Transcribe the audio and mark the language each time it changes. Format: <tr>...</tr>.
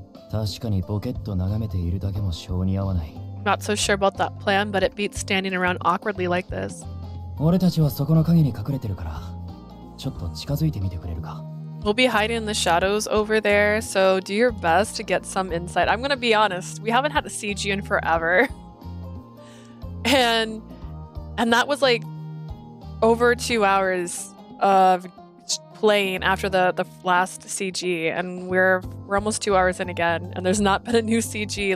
<ja>確かにポケット眺めているだけも性に合わない。</ja> <en>Not so sure about that plan, but it beats standing around awkwardly like this.</en> <ja>俺たちはそこの影に隠れてるから、ちょっと近づいてみてくれるか。</ja> <en>We'll be hiding in the shadows over there, so do your best to get some insight. I'm gonna be honest, we haven't had a CG in forever. And that was like over 2 hours of playing after the last CG, and we're almost 2 hours in again, and there's not been a new CG.</en>